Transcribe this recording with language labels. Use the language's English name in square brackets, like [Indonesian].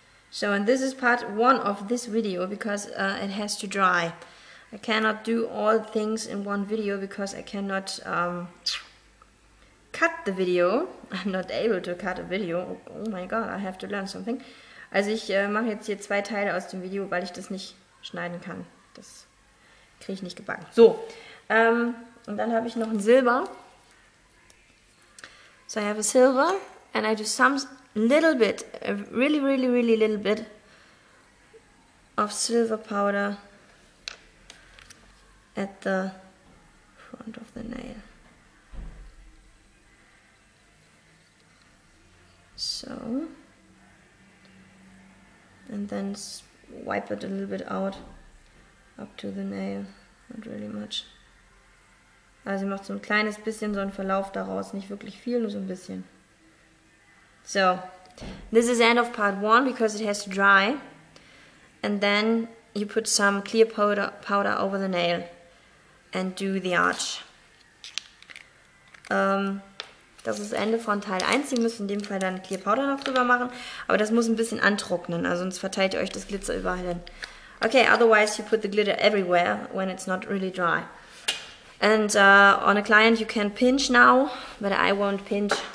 [English] So, and this is part one of this video because it has to dry. I cannot do all things in one video because I cannot cut the video. I'm not able to cut a video. Oh my god, I have to learn something. [German] Also, ich mache jetzt hier zwei Teile aus dem Video, weil ich das nicht schneiden kann. Das kriege ich nicht gebacken. So, und dann habe ich noch ein Silber. [English] So, I have a silver and I do some. Little bit, a really, really, really little bit of silver powder at the front of the nail. So, and then wipe it a little bit out up to the nail, not really much. [German] Also macht so ein kleines bisschen so einen Verlauf daraus, nicht wirklich viel, nur so ein bisschen. [English] So, this is end of part one because it has to dry. And then you put some clear powder over the nail and do the arch. [German] Das ist Ende von Teil 1. Ihr müsst in dem Fall dann Clear Powder noch drüber machen. Aber das muss ein bisschen antrocknen, also sonst verteilt ihr euch das Glitzer überall hin. [English] Okay, otherwise you put the glitter everywhere when it's not really dry. And on a client you can pinch now, but I won't pinch.